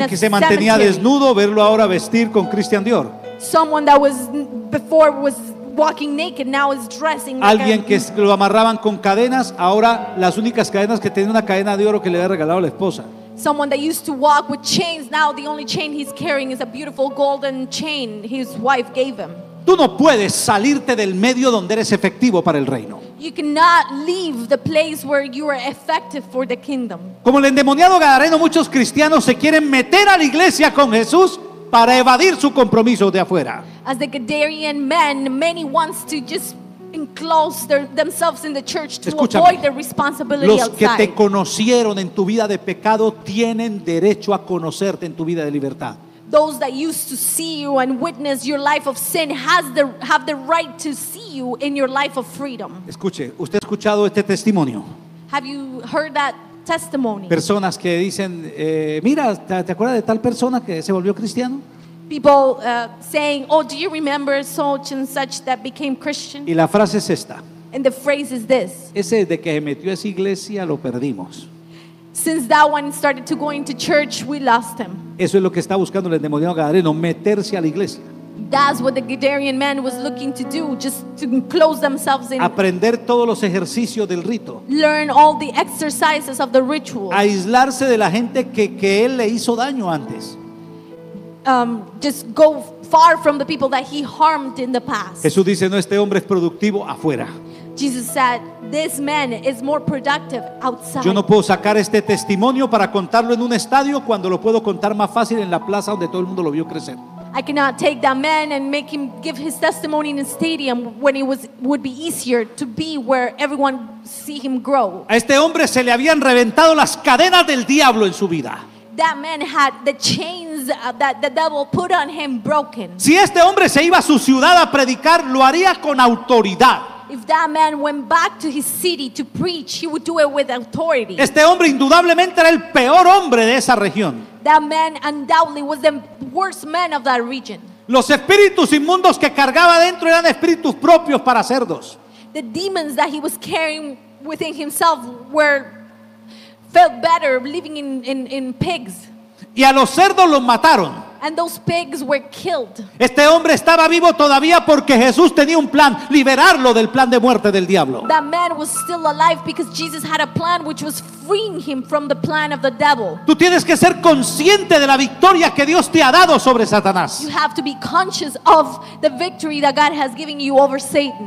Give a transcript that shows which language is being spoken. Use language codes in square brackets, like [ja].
[es] Alguien que se mantenía desnudo, verlo ahora vestir con Christian Dior. [en] Someone that was before was walking naked, now is dressing. [es] Alguien que lo amarraban con cadenas, ahora las únicas cadenas que tiene una cadena de oro que le había regalado la esposa. [en] Someone that used to walk with chains, now the only chain he's carrying is a beautiful golden chain his wife gave him. [es] Tú no puedes salirte del medio donde eres efectivo para el reino. [en] You cannot leave the place where you are effective for the kingdom. [es] Como el endemoniado gadareno, muchos cristianos se quieren meter a la iglesia con Jesús para evadir su compromiso de afuera. [en] As the Gadarian men, many wants to just enclose themselves in the church to [es] Escúchame, [en] avoid their responsibility [es] los [en] outside. [es] Los que te conocieron en tu vida de pecado tienen derecho a conocerte en tu vida de libertad. [en] Those that used to see you and witness your life of sin have the right to see you in your life of freedom. [es] Escuche, ¿usted ha escuchado este testimonio? [en] Have you heard that testimony? [es] Personas que dicen, mira, ¿te acuerdas de tal persona que se volvió cristiano? [en] People saying, oh, do you remember such and such that became Christian? [es] Y la frase es esta. [en] And the phrase is this. [es] Ese de que se metió a esa iglesia lo perdimos. [en] Since that one started to go into church, we lost him. [es] Eso es lo que está buscando el endemoniado gadareno, meterse a la iglesia. [en] That's what the Gadarian man was looking to do, just to enclose themselves in. [es] Aprender todos los ejercicios del rito. [en] Learn all the exercises of the ritual. [es] Aislarse de la gente que él le hizo daño antes. [en] Just go far from the people that he harmed in the past. [es] Jesús dice, no, este hombre es productivo afuera. [en] Jesus said, this man is more productive outside. [es] Yo no puedo sacar este testimonio para contarlo en un estadio cuando lo puedo contar más fácil en la plaza donde todo el mundo lo vio crecer. [en] I cannot take that man and make him give his testimony in a stadium when it would be easier to be where everyone see him grow. [es] A este hombre se le habían reventado las cadenas del diablo en su vida. [en] That man had the chains that the devil put on him broken. [es] Si este hombre se iba a su ciudad a predicar, lo haría con autoridad. [en] If that man went back to his city to preach, he would do it with authority. [es] Este hombre indudablemente era el peor hombre de esa región. [en] That man undoubtedly was the worst man of that region. [es] Los espíritus inmundos que cargaba dentro eran espíritus propios para cerdos. [en] The demons that he was carrying within himself felt better living in pigs. [es] Y a los cerdos los mataron. [en] And those pigs were killed. [es] Este hombre estaba vivo todavía porque Jesús tenía un plan, liberarlo del plan de muerte del diablo. [en] That man was still alive because Jesus had a plan which was freeing him from the plan of the devil. [es] Tú tienes que ser consciente de la victoria que Dios te ha dado sobre Satanás. [en] You have to be conscious of the victory that God has given you over Satan.